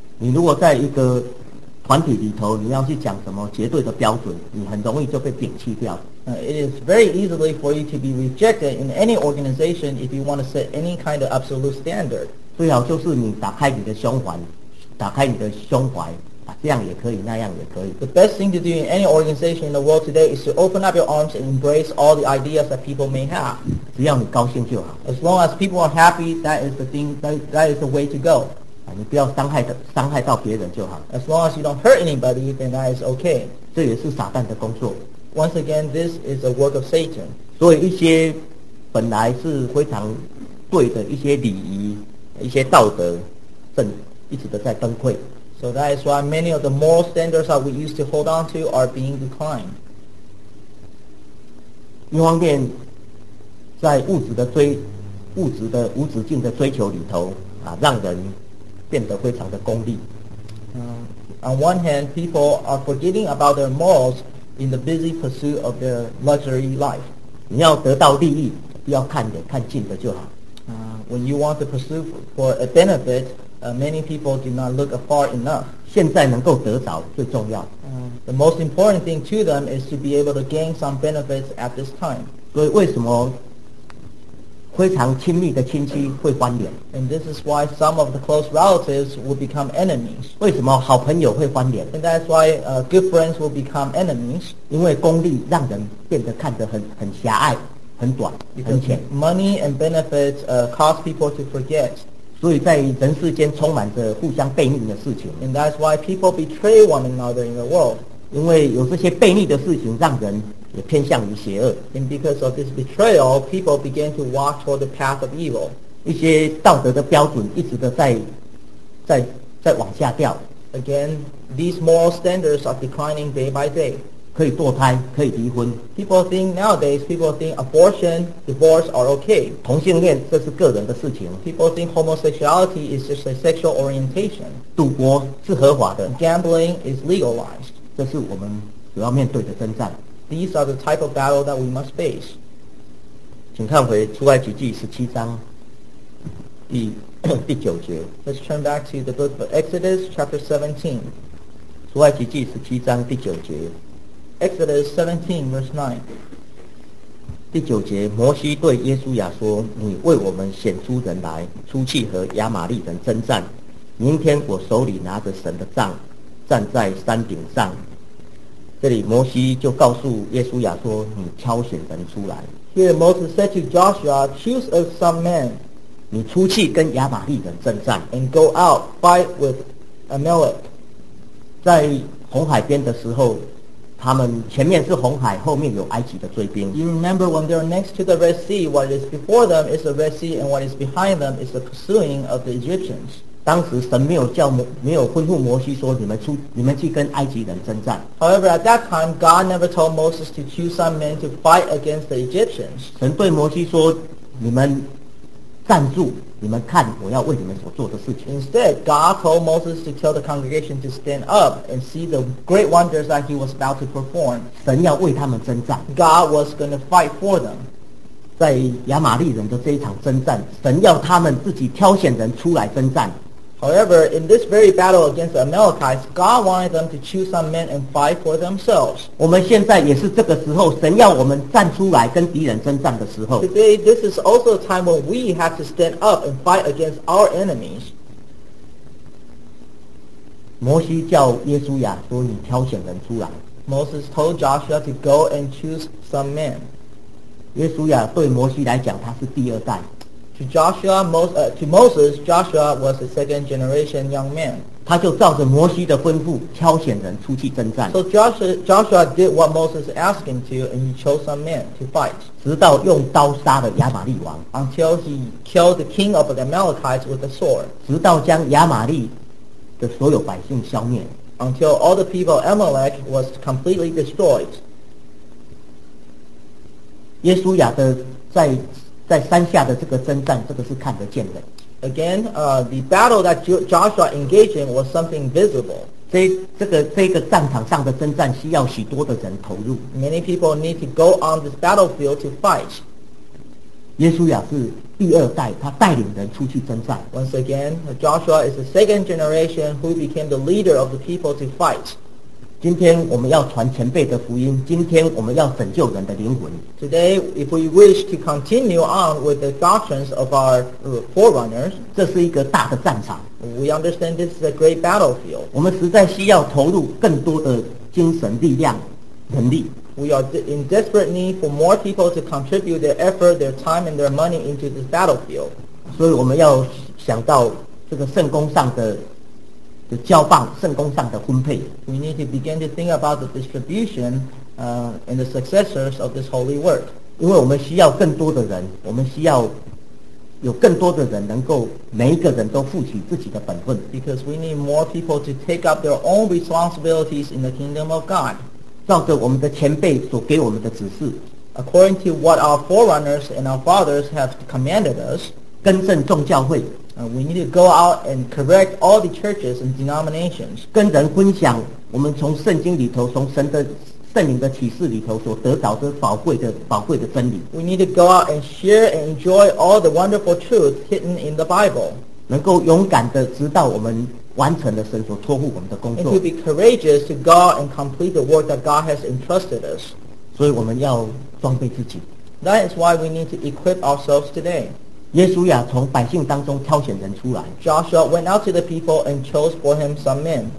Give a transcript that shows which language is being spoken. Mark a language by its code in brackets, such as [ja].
[zh] 你如果在一个团体里头，你要去讲什么绝对的标准，你很容易就被摒弃掉。 [en] It is very easily for you to be rejected in any organization if you want to set any kind of absolute standard. [zh] 最好就是你打开你的胸怀，打开你的胸怀，这样也可以，那样也可以。 [en] The best thing to do in any organization in the world today is to open up your arms and embrace all the ideas that people may have. [zh] 只要你高兴就好。 [en] As long as people are happy, that is the thing, that is the way to go. [zh] 你不要伤害到别人就好。 [en] As long as you don't hurt anybody, then that is okay. [zh] 这也是撒旦的工作。 [en] Once again, this is a work of Satan. [zh] 所以一些本来是非常对的一些礼仪、一些道德，正一直的在崩溃。 [en] So that is why many of the moral standards that we used to hold on to are being declined. [zh] 一方面，在无止境的追求里头，让人变得非常的功利。 [en] On one hand, people are forgetting about their morals in the busy pursuit of their luxury life. [zh] 你要得到利益，不要看远，看近的就好。 [en] When you want to pursue for a benefit,many people do not look afar enough. [zh] 现在能够得着最重要。 [en] The most important thing to them is to be able to gain some benefits at this time. [zh] 所以为什么非常亲密的亲戚会翻脸？ [en] And this is why some of the close relatives will become enemies. [zh] 为什么好朋友会翻脸？ [en] And that's why good friends will become enemies. [zh] 因为功利让人变得看得很狭隘、很短、很浅。 [en] Because money and benefits cause people to forget. [zh] 所以在人世间充满着互相背逆的事情。 [en] And that's why people betray one another in the world. [zh] 因为有这些背逆的事情，让人也偏向于邪恶。 [en] And because of this betrayal, people begin to walk toward the path of evil. [zh] 一些道德的标准一直的在往下掉。 [en] Again, these moral standards are declining day by day. [zh] 可以堕胎，可以离婚。 [en] People think nowadays, people think abortion, divorce are okay. [zh] 同性恋这是个人的事情。 [en] People think homosexuality is just a sexual orientation. [zh] 赌博是合法的。 [en] Gambling is legalized. [zh] 这是我们主要面对的征战。 [en] These are the type of battle that we must face. [zh] 请看回出埃及记十七章第九节。 [en] Let's turn back to the book of Exodus, chapter 17. [zh] 出埃及记十七章第九节。 [en] Exodus 17 verse 9. [zh] 第九节，摩西对耶稣亚说：“你为我们显出人来，出去和亚玛利人征战。明天我手里拿着神的杖，站在山顶上。” 这里摩西就告诉耶稣亚说：“你挑选人出来。” [en] Here Moses said to Joshua, "Choose of some men." [zh] 你出去跟亚玛利人征战。 [en] And go out fight with Amalek. [zh] 在红海边的时候。他们前面是红海，后面有埃及的追兵。 [en] You remember when they're next to the Red Sea, what is before them is the Red Sea, and what is behind them is the pursuing of the Egyptians. [zh] 当时神没有叫没有吩咐摩西说你们去跟埃及人征战。 [en] However, at that time, God never told Moses to choose some men to fight against the Egyptians. [zh] 神对摩西说，你们站住，你们看我要为你们所做的事情。 [en] Instead, God told Moses to tell the congregation to stand up and see the great wonders that he was about to perform. [zh] 神要为他们征战。 [en] God was going to fight for them. [zh] 在亚玛利人的这一场征战，神要他们自己挑选人出来征战。 [en] However, in this very battle against the Amalekites, God wanted them to choose some men and fight for themselves. [zh] 我们现在也是这个时候，神要我们站出来跟敌人征战的时候。 [en] Today, this is also a time when we have to stand up and fight against our enemies. [zh] 摩西叫耶稣亚说你挑选人出来。 [en] Moses told Joshua to go and choose some men. [zh] 耶稣亚对摩西来讲他是第二代。 [en] To Moses, Joshua was a second generation young man. [zh] 他就照着摩西的吩咐挑选人出去征战。 [en] So Joshua did what Moses asked him to, and he chose some men to fight. [zh] 直到用刀杀了亚玛利王。 [en] Until he killed the king of the Amalekites with a sword. [zh] 直到将亚玛利的所有百姓消灭。 [en] Until all the people of Amalek was completely destroyed. [zh] 耶稣亚的在山下的这个征战，这个是看得见的。 [en] Again, the battle that Joshua engaged in was something visible. [zh] 这个战场上的征战需要许多的人投入。 [en] Many people need to go on this battlefield to fight. [zh] 耶稣亚是第二代，他带领人出去征战。 [en] Once again, Joshua is the second generation who became the leader of the people to fight. [zh] 今天我们要传前辈的福音，今天我们要拯救人的灵魂。 [en] Today, if we wish to continue on with the doctrines of our forerunners, [zh] 这是一个大的战场。 [en] We understand this is a great battlefield. [zh] 我们实在需要投入更多的精神力量能力。 [en] We are in desperate need for more people to contribute their effort, their time, and their money into this battlefield. [zh] 所以我们要想到这个圣公上的交棒，圣公上的分配。 [en] We need to begin to think about the distribution, and the successors of this holy work. [zh] 因为我们需要更多的人，我们需要有更多的人能够每一个人都负起自己的本分。 [en] Because we need more people to take up their own responsibilities in the kingdom of God. [zh] 照着我们的前辈所给我们的指示。 [en] According to what our forerunners and our fathers have commanded us, [zh] 更正众教会。 [en] We need to go out and correct all the churches and denominations. [zh] 跟人分享我们从圣经里头，从神的圣灵的启示里头所得到的宝贵的真理。 [en] We need to go out and share and enjoy all the wonderful truths hidden in the Bible. [zh] 能够勇敢的直到我们完成了神所托付我们的工作。 [en] And to be courageous to go out and complete the work that God has entrusted us. [zh] 所以我们要装备自己。 [en] That is why we need to equip ourselves today. [zh] 耶稣亚从百姓当中挑选人出来。 [en] Joshua went out to the people and chose for him some men.